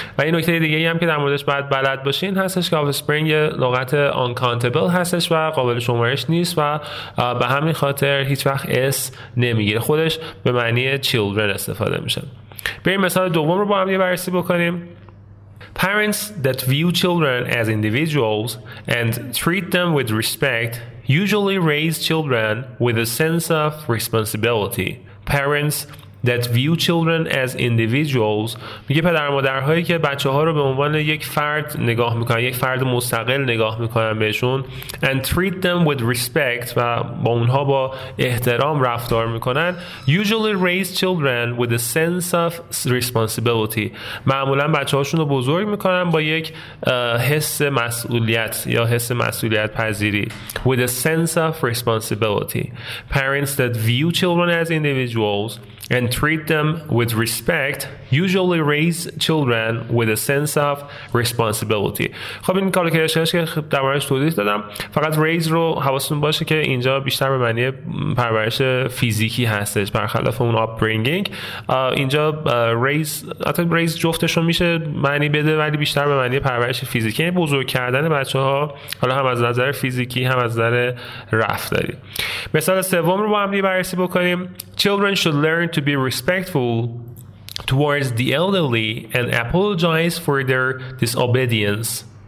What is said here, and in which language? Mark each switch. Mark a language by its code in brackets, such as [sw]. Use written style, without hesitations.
[fa] و این نکته دیگه ای هم که در موردش باید بلد باشین هستش که آف اسپرینگ لغت آنکانتبل هستش و قابل شمارش نیست و به همین خاطر هیچ وقت اس نمیگیره، خودش به معنی children استفاده میشه. بریم مثال دوم رو با هم یه بررسی بکنیم. [en] Parents that view children as individuals and treat them with respect usually raise children with a sense of responsibility. Parents that view children as individuals. [fa] میگه پدر و مادرهایی که بچه‌ها رو به عنوان یک فرد نگاه میکنن، یک فرد مستقل نگاه میکنن بهشون، [en] and treat them with respect [fa] و با اونها با احترام رفتار میکنن، [en] usually raise children with a sense of responsibility. [fa] معمولا بچه‌هاشون رو بزرگ میکنن با یک حس مسئولیت یا حس مسئولیت پذیری، [en] with a sense of responsibility. Parents that view children as individuals and treat them with respect usually raise children with a sense of responsibility. [fa] خب این کالکیشنش که در موردش توضیح دادم، فقط raise رو حواستون باشه که اینجا بیشتر به معنی پرورش فیزیکی هستش برخلاف اون upbringing. اینجا raise جفتش رو میشه معنی بده، ولی بیشتر به معنی پرورش فیزیکی، یعنی بزرگ کردن بچه ها، حالا هم از نظر فیزیکی هم از نظر رفتاری. مثال سوم رو با هم بررسی بکنیم. [en] Children should learn to be respectful towards the elderly and apologize for their disobedience.